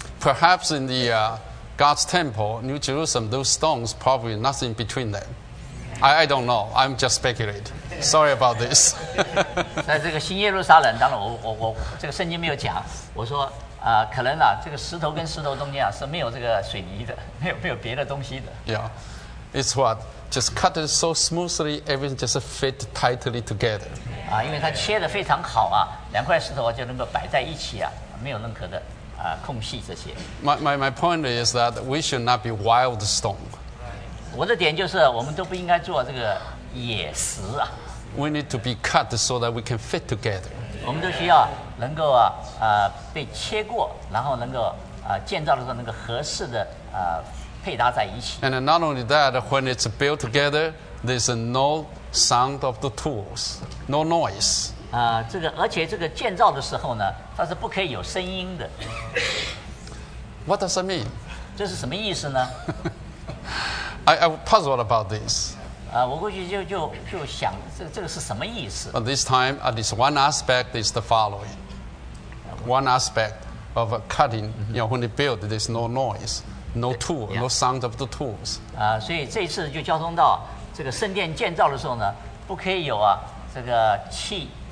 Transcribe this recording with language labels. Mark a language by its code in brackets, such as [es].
[en] Perhaps in the God's temple, New Jerusalem, those stones probably nothing between them. I don't know. I'm just speculating. Sorry about this. [zh] 在这个新耶路撒冷，当然我这个圣经没有讲。我说可能这个石头跟石头中间是没有这个水泥的，没有别的东西的。 [en] Yeah, it's what. Just cut it so smoothly, everything just fit tightly together. [zh] 因为它切得非常好啊，两块石头就能够摆在一起啊，没有任何的空隙这些。 [en] My point is that we should not be wild stone. [zh] 我的点就是，我们都不应该做这个野石啊。 [en] We need to be cut so that we can fit together. [zh] 我们都需要能够被切过，然后能够建造的时候能够合适的 [en] And not only that, when it's built together, there's no sound of the tools, no noise. [zh] 这个而且这个建造的时候呢，它是不可以有声音的。 [en] What does that mean? [zh] 这是什么意思呢 [en] ？I puzzled about this. [zh] 我过去就想这个是什么意思 [en] ？But this time, at least one aspect is the following. One aspect of cutting, you know, when you build, there's no noise. No tool, no sound of the tools. [zh] 所以这一次就交通到这个圣殿建造的时候呢，不可以有这个气，